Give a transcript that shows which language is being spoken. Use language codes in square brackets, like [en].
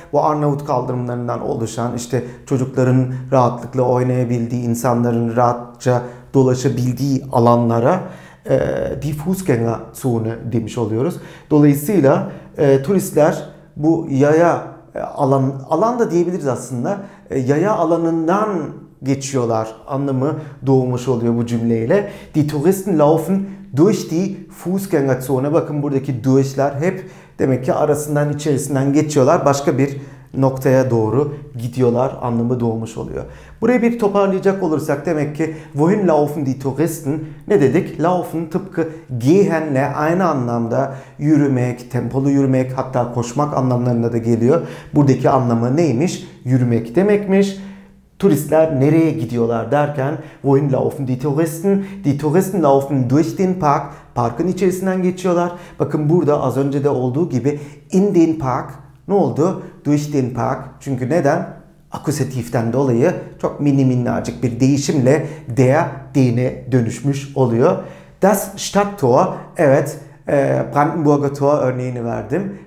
[tr] Bu Arnavut kaldırımlarından oluşan, işte çocukların rahatlıkla oynayabildiği, insanların rahatça dolaşabildiği alanlara die Fußgängerzone demiş oluyoruz. Dolayısıyla turistler bu yaya alanda diyebiliriz aslında. Yaya alanından geçiyorlar anlamı doğmuş oluyor bu cümleyle. [de] Die Touristen laufen durch die Fußgängerzone. [tr] Bakın buradaki durch'ler hep demek ki arasından, içerisinden geçiyorlar. Başka bir noktaya doğru gidiyorlar anlamı doğmuş oluyor. Burayı bir toparlayacak olursak demek ki [de] wohin laufen die Touristen, [tr] ne dedik? Laufen tıpkı gehenle aynı anlamda yürümek, tempolu yürümek, hatta koşmak anlamlarına da geliyor. Buradaki anlamı neymiş? Yürümek demekmiş. Turistler nereye gidiyorlar derken [de] wohin laufen die Touristen? Die Touristen laufen durch den Park. [tr] Parkın içerisinden geçiyorlar. Bakın burada az önce de olduğu gibi in den Park ne oldu? Durch den Park. Çünkü neden? Akusatiften dolayı çok minnacık bir değişimle der, den'e dönüşmüş oluyor. Das Stadttor. Evet, Brandenburger Tor örneğini verdim.